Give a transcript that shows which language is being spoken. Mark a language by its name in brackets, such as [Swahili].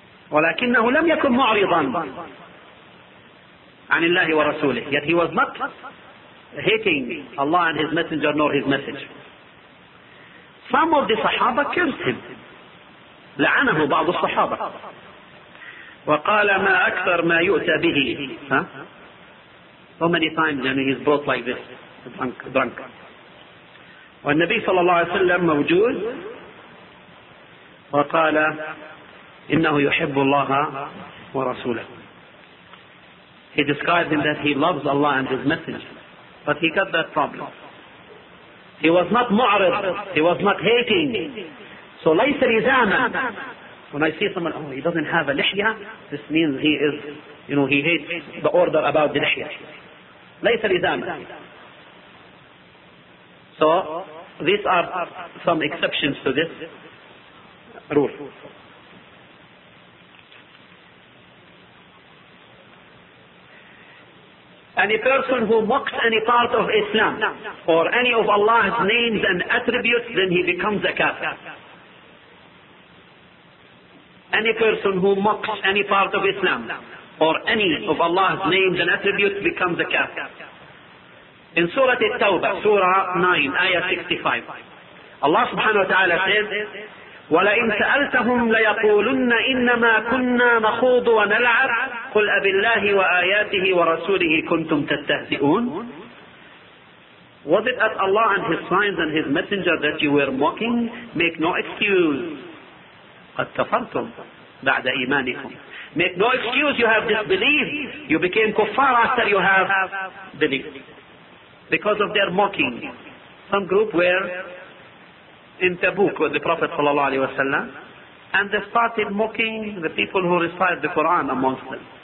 [Arabic] ولكنه لم يكن معرضا عن الله ورسوله. [English] Yet he was not hating Allah and his messenger nor his message. Some of the Sahaba cursed him. [Arabic] لعنه بعض الصحابة وقال ما أكثر ما يؤتى به. [English] How many times when he is brought like this drunk. [Arabic] والنبي صلى الله عليه وسلم موجود وقال إنه يحب الله ورسوله. [English] He described him that he loves Allah and his message, but he got that problem. He was not معرض, he was not hating. So [Arabic] ليس رزاما. [English] When I see someone, oh, he doesn't have a لحية, this means he is, you know, he hates the order about the لحية. [Arabic] ليس رزاما. [English] So these are some exceptions to this rule. Any person who mocks any part of Islam or any of Allah's names and attributes, then he becomes a kafir. Any person who mocks any part of Islam or any of Allah's names and attributes becomes a kafir. In Surah At-Tawbah, Surah 9, Ayah 65, Allah subhanahu wa ta'ala says, [Arabic] وَلَئِن سَأَلْتَهُمْ لَيَقُولُنَّ إِنَّمَا كُنَّا نَخُوضُ وَنَلْعَبُ قُلْ أَبِاللَّهِ وَآيَاتِهِ وَرَسُولِهِ كُنْتُمْ تَتَّهْزِئُونَ. [English] Was it at Allah and His signs and His messenger that you were mocking? Make no excuse. [Arabic] قَدْ كَفَرْتُمْ بَعْدَ إِيمَانِكُمْ. [English] Make no excuse, you have disbelieved. You became kuffar after you have believed. Because of their mocking. Some group were in Tabuk with the Prophet sallallahu alaihi wasallam, and they started mocking the people who recite the Quran amongst them.